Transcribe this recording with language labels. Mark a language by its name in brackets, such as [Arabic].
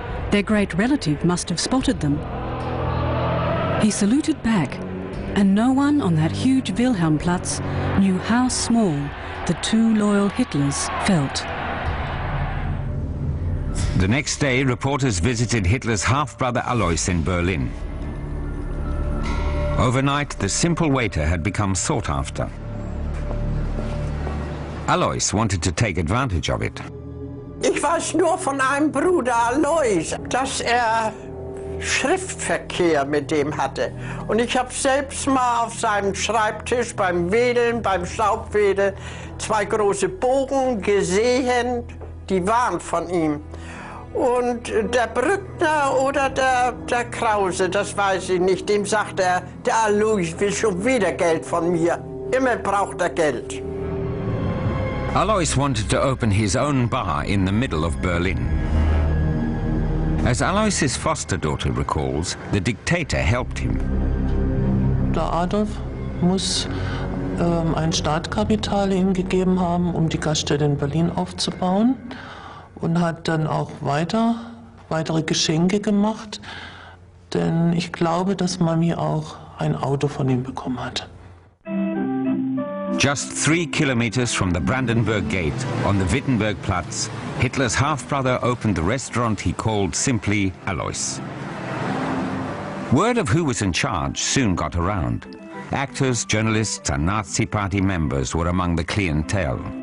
[English] Their great relative must have spotted them. He saluted back, and no one on that huge Wilhelmplatz knew how small the two loyal Hitlers felt." The next day, reporters visited Hitler's half-brother Alois in Berlin. Overnight, the simple waiter had become sought after. Alois wanted to take advantage of it. [German] "Ich weiß nur von einem Bruder Alois, dass er Schriftverkehr mit dem hatte. Und ich habe selbst mal auf seinem Schreibtisch beim Wedeln, beim Staubwedeln, zwei große Bogen gesehen, die waren von ihm. Und der Brückner oder der Krause, das weiß ich nicht, dem sagt er, der Alois will schon wieder Geld von mir. Immer braucht er Geld." [English] Alois wanted to open his own bar in the middle of Berlin. As Alois's foster daughter recalls, the dictator helped him. [German] "Der Adolf muss ein Startkapital ihm gegeben haben, um die Gaststätte in Berlin aufzubauen, und hat dann auch weitere Geschenke gemacht, denn ich glaube, dass Mami auch ein Auto von ihm bekommen hat." [English] Just 3 kilometers from the Brandenburg Gate on the Wittenbergplatz, Hitler's half-brother opened the restaurant he called simply Alois. Word of who was in charge soon got around. Actors, journalists and Nazi party members were among the clientele.